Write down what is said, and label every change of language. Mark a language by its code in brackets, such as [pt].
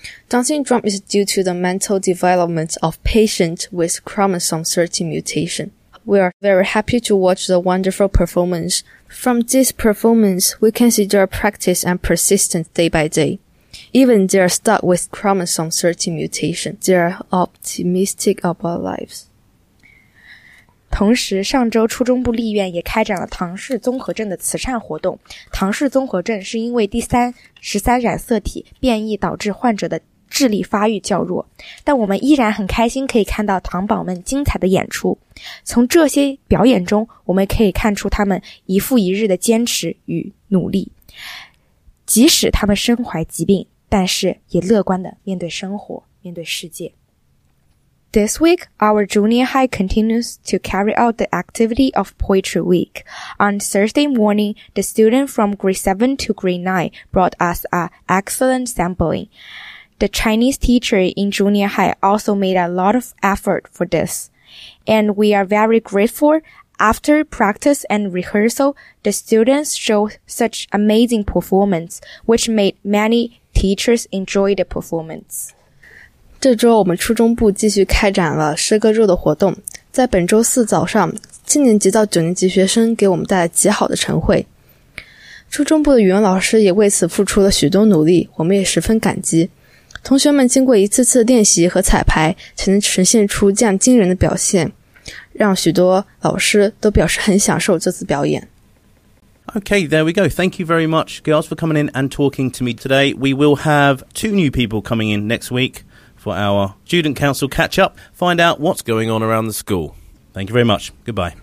[en] Down syndrome is due to the mental development of patients with chromosome 13 mutation. We are very happy to watch the wonderful performance. From this performance, we can see their practice and persistence day by day. Even they are stuck with chromosome 13 mutation, they are optimistic about lives. [zh] 同时上周初中部立院也开展了唐氏综合症的慈善活动。唐氏综合症是因为第13染色体变异导致患者的智力发育较弱。但我们依然很开心可以看到唐宝们精彩的演出。从这些表演中我们可以看出他们一复一日的坚持与努力。即使他们身怀疾病，但是也乐观地面对生活，面对世界。 [en] This week, our junior high continues to carry out the activity of Poetry Week. On Thursday morning, the student from grade 7 to grade 9 brought us an excellent sampling. The Chinese teacher in junior high also made a lot of effort for this. And we are very grateful. After practice and rehearsal, the students showed such amazing performance, which made many teachers enjoy the performance. [zh] 这周我们初中部继续开展了诗歌周的活动。在本周四早上，七年级到九年级学生给我们带来极好的晨会。初中部的语文老师也为此付出了许多努力，我们也十分感激。同学们经过一次次练习和彩排，才能呈现出这样惊人的表现。让许多老师都表示很享受这次表演。 [en] Okay, there we go. Thank you very much, girls, for coming in and talking to me today. We will have two new people coming in next week for our student council catch up, find out what's going on around the school. Thank you very much. Goodbye.